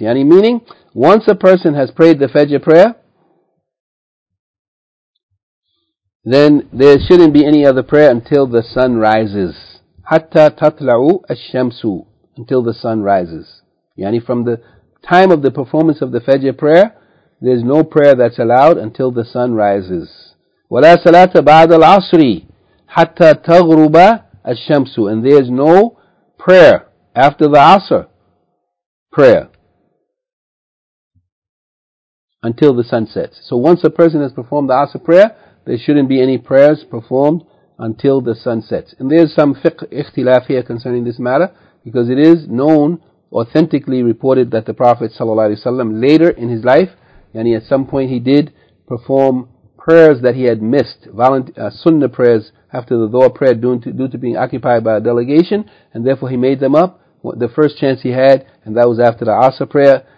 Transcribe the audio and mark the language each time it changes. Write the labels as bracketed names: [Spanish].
[English] Yani, meaning, once a person has prayed the fajr prayer, then there shouldn't be any other prayer until the sun rises. [Arabic] حتى تطلع الشمس, [English] until the sun rises. يعني from the time of the performance of the Fajr prayer, there's no prayer that's allowed until the sun rises. [Arabic] ولا صلاة بعد العصر حتى تغرب الشمس. [English] And there's no prayer after the Asr prayer until the sun sets. So once a person has performed the Asr prayer, there shouldn't be any prayers performed until the sun sets. And there's some fiqh ikhtilaf here concerning this matter, because it is known, authentically reported, that the Prophet ﷺ later in his life, yani at some point he did perform prayers that he had missed, sunnah prayers after the Dhuhr prayer due to being occupied by a delegation, and therefore he made them up the first chance he had, and that was after the Asr prayer.